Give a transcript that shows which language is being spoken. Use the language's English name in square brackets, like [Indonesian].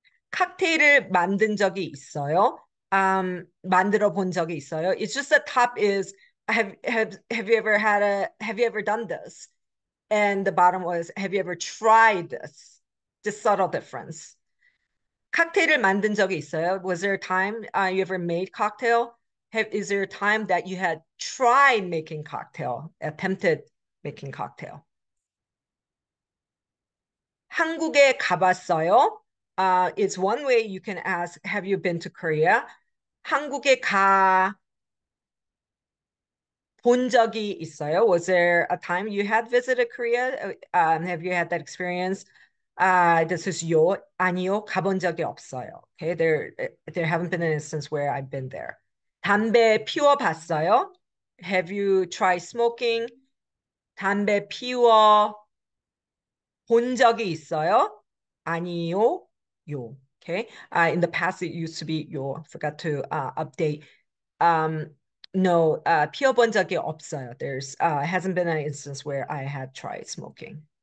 [Korean] 칵테일을 만든 적이 있어요? 만들어 본 적이 있어요? [English] It's just the top is have you ever done this? And the bottom was have you ever tried this? Just subtle difference. [Korean] 칵테일을 만든 적이 있어요? [English] Was there a time you ever made cocktail? Is there a time that you had tried making cocktail, attempted making cocktail? [Korean] 한국에 가봤어요? [English] It's one way you can ask, have you been to Korea? [Korean] 한국에 가 본 적이 있어요? [English] Was there a time you had visited Korea? Have you had that experience? This is [Korean] 요 아니요 가본 적이 없어요. [English] Okay, there haven't been an instance where I've been there. [Korean] 담배 피워 봤어요? [English] Have you tried smoking? [Korean] 담배 피워 본 적이 있어요? 아니요, 요. [English] Okay. In the past, it used to be 요. I forgot to update. [Korean] No, 피워본 적이 없어요. [English] There's hasn't been an instance where I had tried smoking.